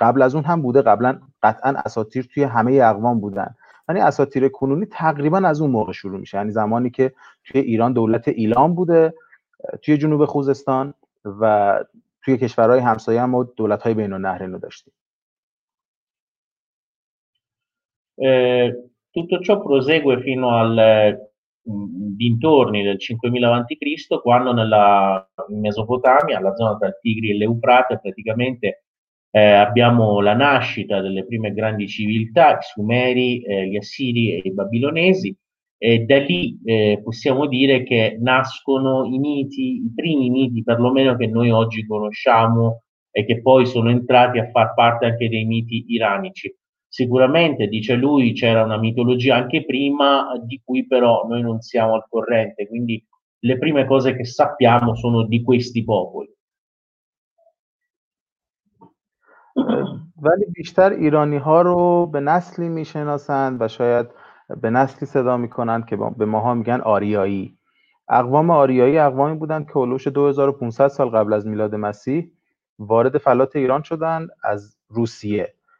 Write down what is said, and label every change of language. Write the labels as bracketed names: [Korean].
[Persian] قبل از اون هم بوده، قبلا قطعا اساطیر توی همه اقوام بودن، یعنی اساطیر کنونی تقریبا از اون موقع شروع میشه، یعنی زمانی که توی ایران دولت ایلام بوده توی جنوب خوزستان و توی کشورهای همسایه هم دولت‌های بین‌النهرین رو داشتیم. [Italian] Tutto ciò prosegue fino al dintorni del 5000 avanti Cristo, quando nella Mesopotamia, la zona tra il Tigri e l'Eufrate, praticamente abbiamo la nascita delle prime grandi civiltà, i Sumeri, gli Assiri e i Babilonesi, e da lì possiamo dire che nascono i miti, i primi miti perlomeno che noi oggi conosciamo e che poi sono entrati a far parte anche dei miti iranici. Sicuramente, dice lui, c'era una mitologia anche prima, di cui però noi non siamo al corrente, quindi le prime cose che sappiamo sono di questi popoli. [Persian] ولی بیشتر ایرانی ها رو به نسلی میشناسند و شاید به نسلی صدا میکنند که به ماها میگن آریایی. اقوام آریایی اقوامی بودند که اولوش 2500 سال قبل از میلاد مسیح وارد فلات ایران شدند از روسیه